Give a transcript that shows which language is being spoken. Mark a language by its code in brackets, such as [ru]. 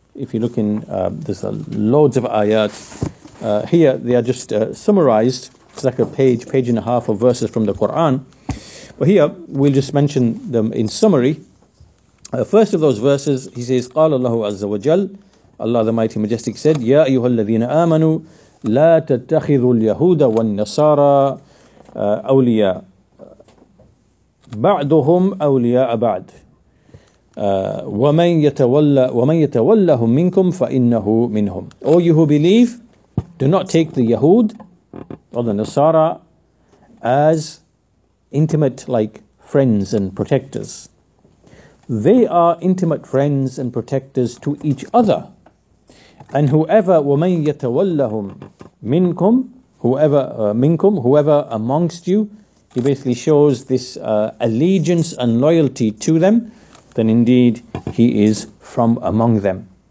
[en] If you look in, there's loads of ayat. Here they are just summarized. It's like a page and a half of verses from the Quran. But here we'll just mention them in summary. First of those verses, he says, [ar] قال الله عز وجل, [en] Allah the Mighty Majestic said, [ar] يَا أَيُّهَا الَّذِينَ آمَنُوا لا تتخذوا اليهود والنصارى أولياء بعضهم أولياء بعض ومن يتولهم منكم فإنه منهم. [en] All you who believe, do not take the Yahud or the Nasara as intimate like friends and protectors. They are intimate friends and protectors to each other. And whoever, [ar] وَمَنْ يَتَوَلَّهُمْ مِنْكُمْ [en] whoever, [ar] مِنْكُمْ [en] whoever amongst you, he basically shows this allegiance and loyalty to them, then indeed he is from among them.